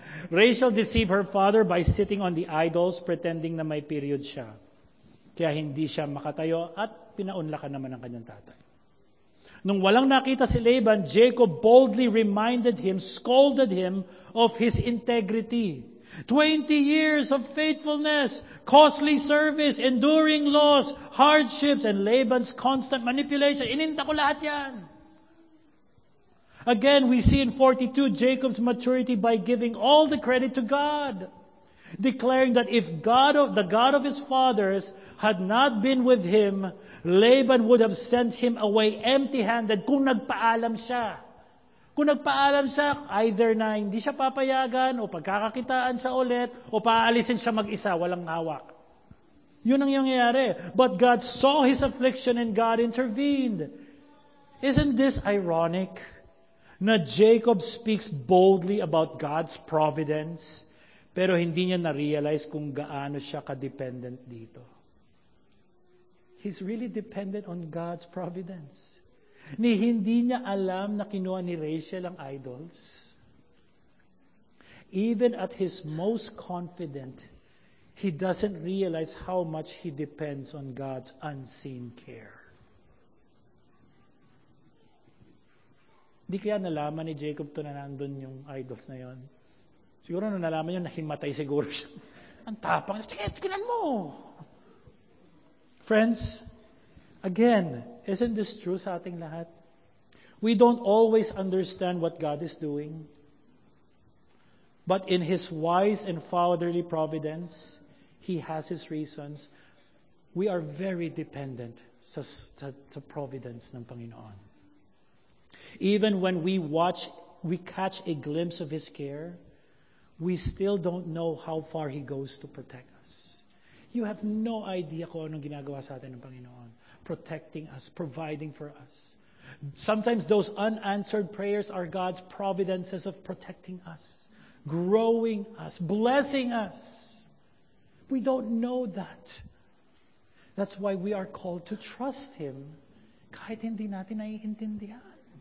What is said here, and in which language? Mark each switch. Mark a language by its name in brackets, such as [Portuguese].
[English] Rachel deceived her father by sitting on the idols, pretending [Filipino] na may period siya. Kaya hindi siya makatayo at pinaunlakan naman ang kanyang tatay. Nung walang nakita si Laban, [English] Jacob boldly reminded him, scolded him of his integrity. 20 years of faithfulness, costly service, enduring loss, hardships, and Laban's constant manipulation. [Filipino] Ininta ko lahat yan. [English] Again, we see in 42 Jacob's maturity by giving all the credit to God, declaring that if God, the God of his fathers, had not been with him, Laban would have sent him away empty-handed [Filipino] kung nagpaalam siya. Kung nagpaalam siya, either na hindi siya papayagan o pagkakakitaan siya ulit o paalisin siya mag-isa, walang hawak. Yun ang nangyayari. [English] But God saw his affliction and God intervened. Isn't this ironic? [Filipino] Na [English] Jacob speaks boldly about God's providence, [Filipino] pero hindi niya na-realize kung gaano siya ka-dependent dito. [English] He's really dependent on God's providence. [Filipino] Ni hindi niya alam na kinuha ni Rachel ang idols. [English] Even at his most confident, he doesn't realize how much he depends on God's unseen care. [Filipino] Di kaya nalaman ni Jacob to na nandun yung idols na yon. Siguro na nalaman yun, nahimatay siguro siya. Ang tapang, tignan mo! [English] Friends, again, isn't this true [Filipino] sa ating lahat? [English] We don't always understand what God is doing. But in His wise and fatherly providence, He has His reasons. We are very dependent sa providence [Filipino] ng Panginoon. [English] Even when we catch a glimpse of His care, we still don't know how far He goes to protect us. You have no idea [Filipino] kung anong ginagawa sa atin ng Panginoon. [English] Protecting us, providing for us. Sometimes those unanswered prayers are God's providences of protecting us, growing us, blessing us. We don't know that. That's why we are called to trust Him [Filipino] kahit hindi natin naiintindihan.